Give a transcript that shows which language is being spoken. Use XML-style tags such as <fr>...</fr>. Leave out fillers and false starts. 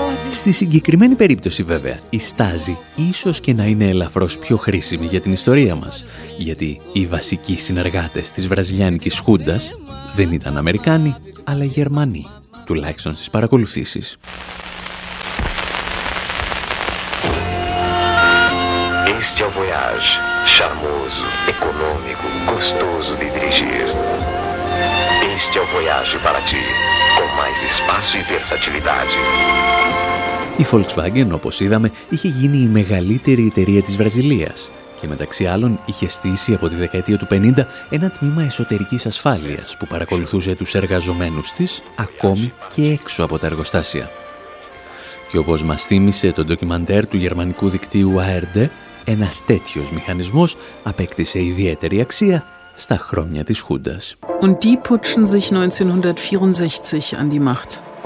<el>Στη συγκεκριμένη περίπτωση βέβαια, η Στάζη ίσως και να είναι ελαφρώς πιο χρήσιμη για την ιστορία μας, γιατί οι βασικοί συνεργάτες της Βραζιλιάνικης Χούντας δεν ήταν Αμερικάνοι, αλλά Γερμανοί. τουλάχιστον στις παρακολουθήσεις.</el> <pt>Este é o voyage charmoso, econômico, gostoso de dirigir. Este é o voyage para ti, com mais espaço e versatilidade.</pt> <el>Η Volkswagen, όπως είδαμε, είχε γίνει η μεγαλύτερη εταιρεία της Βραζιλίας και μεταξύ άλλων είχε στήσει από τη δεκαετία του 50 ένα τμήμα εσωτερικής ασφάλειας που παρακολουθούσε τους εργαζομένους της ακόμη και έξω από τα εργοστάσια. Και όπως μας θύμισε το ντοκιμαντέρ του γερμανικού δικτύου ARD, ένας τέτοιος μηχανισμός απέκτησε ιδιαίτερη αξία στα χρόνια της Χούντας.</el> <de>Und die putschen sich 1964 an die Macht.</de>